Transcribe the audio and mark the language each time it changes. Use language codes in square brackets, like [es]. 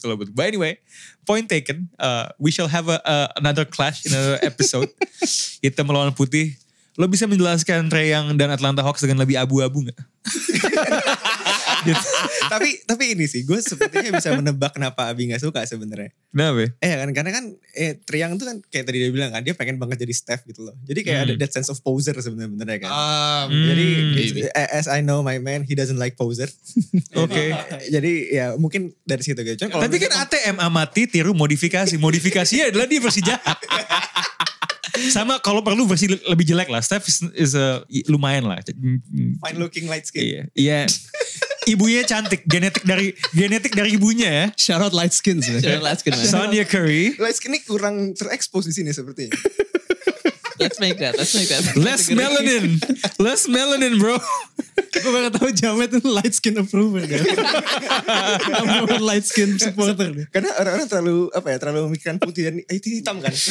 [en] But anyway, point taken. We shall have another clash in another episode. [id] Hitam melawan putih. Lo bisa menjelaskan Trae Young dan Atlanta Hawks dengan lebih abu-abu gak? Gitu. Tapi ini sih, gue sepertinya bisa menebak kenapa Abi gak suka sebenarnya. Kenapa? Karena Trae Young tuh kan kayak tadi dia bilang kan, dia pengen banget jadi Steph gitu loh. Jadi kayak ada [en] that sense of poser [id] sebenarnya kan. [en] Jadi as I know my man, he doesn't like poser. Okay. [id] Jadi ya mungkin dari situ gitu. Cuma, tapi kan ATM amati tiru modifikasi. Modifikasinya adalah dia versi jahat. Sama kalau perlu versi lebih jelek lah. [en] Steph is [id] lumayan lah. [en] Fine looking light skin. [id] Iya. Ibunya cantik. Genetik dari ibunya ya. [en] Shout out light skin. Sonya Curry. [id] Light skin ini kurang terekspos di sini sepertinya. [en] Let's make that. Less melanin. Less melanin bro. [id] Gue baru tahu Jamet itu [en] light skin approver [id] kan. [en] I'm more light skin supporter. [id] Karena orang-orang terlalu apa ya, terlalu memikirkan putih dan itu hitam kan.